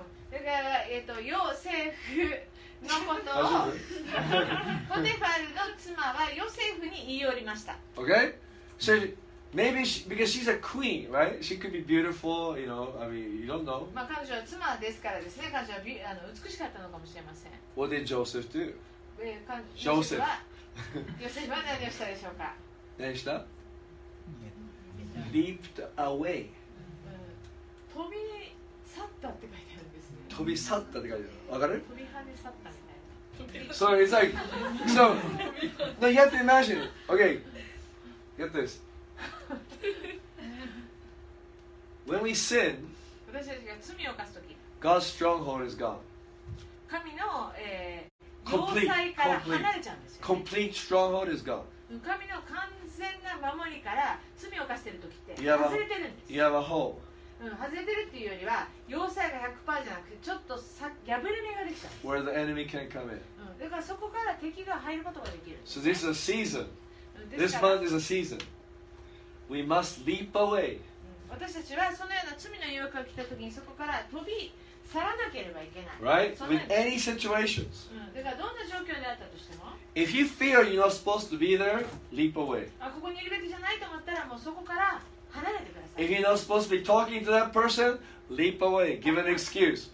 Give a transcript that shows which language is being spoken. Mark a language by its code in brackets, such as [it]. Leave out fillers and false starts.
[ja] だから、ヨセフのことをポテファルの妻はヨセフに言い寄りました。 [en] Okay? So, maybe she, because she's a queen, right? She could be beautiful, you know, I mean, you don't know. [ja] まあ彼女は妻ですからですね、彼女は美しかったのかもしれません。 [en] What did Joseph do? Joseph. [ja] ヨセフは何をしたでしょうか？何した [en] Leaped away. [ja] 飛び去ったって書いてある。飛び去ったって感じだ。わかる？飛び跳ね去ったみたいな。 [en] So it's like, so, no, you have to imagine. Okay, get this. When we sin, [ja] 私たちが罪を犯すとき、 [en] God's stronghold is gone. [ja] 神の、complete, 要塞から離れちゃうんですよ、ね。 [en] Complete stronghold is gone. [ja] 神の完全な守りから罪を犯してるときって外れてるんです。 [en] You have a hole. [ja] 外れてるっていうよりは要塞が 100% じゃなくてちょっとさ破れ目ができた。 [en] Where the enemy can come in. [ja] だからそこから敵が入ることができるんです、ね。 [en] So this is a season. This month is a season. We must leap away. [ja] 私たちはそのような罪の誘惑が来た時にそこから飛び去らなければいけない。 [en] Right? With any situations. [ja] だからどんな状況であったとしても。 [en] If you feel you're not supposed to be there, leap away. [ja] あ、ここにいるべきじゃないと思ったらもうそこから離れてください。 [en] If you're not supposed to be talking to that person, leap away, give an excuse.